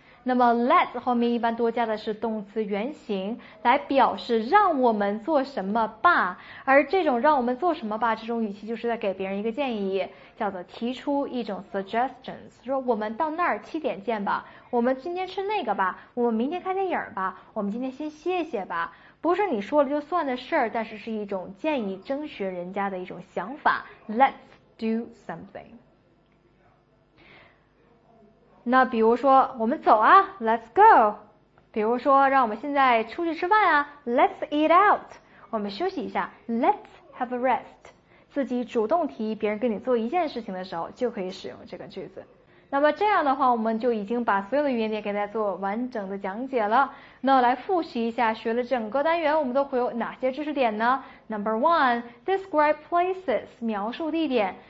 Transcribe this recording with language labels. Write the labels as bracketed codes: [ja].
[zh] 那么 let 后面一般多加的是动词原形，来表示让我们做什么吧。而这种让我们做什么吧这种语气，就是在给别人一个建议，叫做提出一种 suggestions， 说我们到那儿7点见吧，我们今天吃那个吧，我们明天看电影吧，我们今天先歇歇吧，不是你说了就算的事儿，但是是一种建议征询人家的一种想法。 [en] Let's do something。 [zh] 那比如说，我们走啊 ， [en] Let's go。 [zh] 比如说，让我们现在出去吃饭啊 ， [en] Let's eat out。 [zh] 我们休息一下 ， [en] Let's have a rest。 [zh] 自己主动提别人跟你做一件事情的时候，就可以使用这个句子。那么这样的话，我们就已经把所有的语言点给大家做完整的讲解了。那来复习一下，学了整个单元，我们都会有哪些知识点呢 ？ [en] Number one， describe places， [zh] 描述地点。